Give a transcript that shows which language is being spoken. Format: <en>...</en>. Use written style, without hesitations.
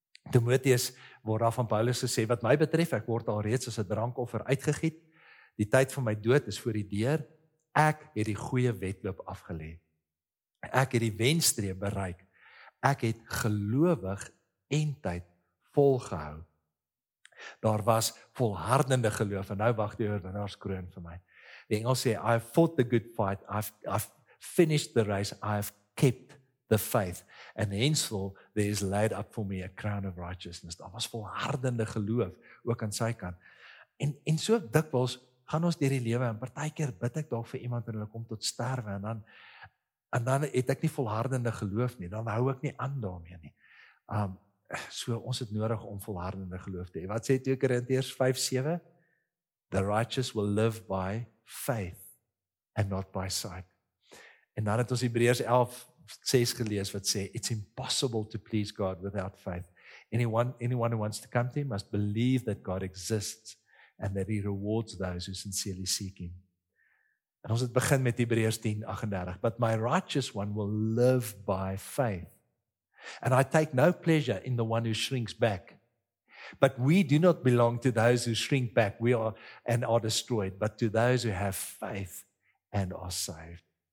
<af>Timoteus word daar van Paulus gesê, wat my betref, ek word alreeds as 'n drankoffer uitgegiet. Die tyd van my dood is voor die deur. Ek het die goeie wedloop afgelê. Ek het die wenstreep bereik. Ek het gelowig en tyd volgehou. Daar was volhardende geloof en nou wag die oorwinnaarskroon vir my. Die Engels sê,</af> <en>I have fought the good fight, I've finished the race, I have kept the faith. And henceforth there is laid up for me a crown of righteousness.</en> <af>Daar was volhardende geloof, ook aan sy kant. En so dikwels gaan ons deur die lewe en partykeer bid ek dalk vir iemand en hulle kom tot sterwe en dan het ek nie volhardende geloof nie, dan hou ek nie aan daarmee nie. So ons het nodig om volhardende geloof te hê. Wat sê 2 Korintiërs 5:7?</af> <en>The righteous will live by faith and not by sight.</en> <af>En dan het ons Hebreërs 11:6 gelees wat sê,</af> <en>it's impossible to please God without faith. Anyone who wants to come to him must believe that God exists and that he rewards those who sincerely seek him.</en> <af>En ons het begin met Hebreërs 10:38.</af> <en>But my righteous one will live by faith. And I take no pleasure in the one who shrinks back. But we do not belong to those who shrink back. We are and are destroyed. But to those who have faith and are saved.</en>